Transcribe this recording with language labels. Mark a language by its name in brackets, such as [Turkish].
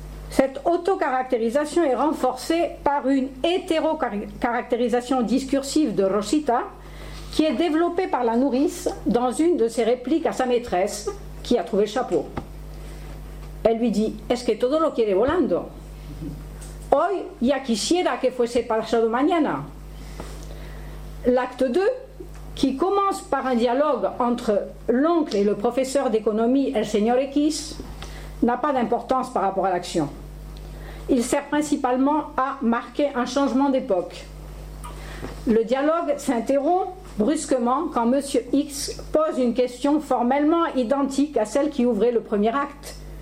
[French] Cette autocaractérisation est renforcée par une hétérocaractérisation discursive de Rosita qui est développée par la nourrice dans une de ses répliques à sa maîtresse qui a trouvé le chapeau. Elle lui dit [Spanish] « Es que todo lo quiere volando ?» Hoy ya quisiera que fuese pasado mañana. [French] L'acte 2, qui commence par un dialogue entre l'oncle et le professeur d'économie, el señor X, n'a pas d'importance par rapport à l'action. Il sert principalement à marquer un changement d'époque. Le dialogue s'interrompt brusquement quand monsieur X pose une question formellement identique à celle qui ouvrait le premier acte.